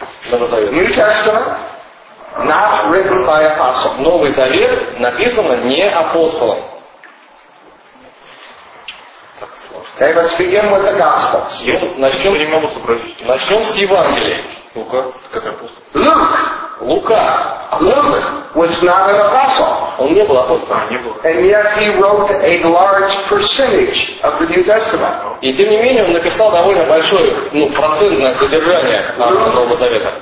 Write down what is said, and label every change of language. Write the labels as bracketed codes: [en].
[en] New Testament not written by apostles. [ru] Новый Завет написан не апостолом. [en] Okay, let's begin with the Gospels. [ru] Начнем с Евангелия. Лука, как апостол. [en] Luke. [ru] Лука. [en] Luke was not an apostle. [ru] Он не был апостолом. [en] And yet he wrote a large percentage of the New Testament. [ru] И тем не менее он написал довольно большое, ну, процентное содержание Нового Завета.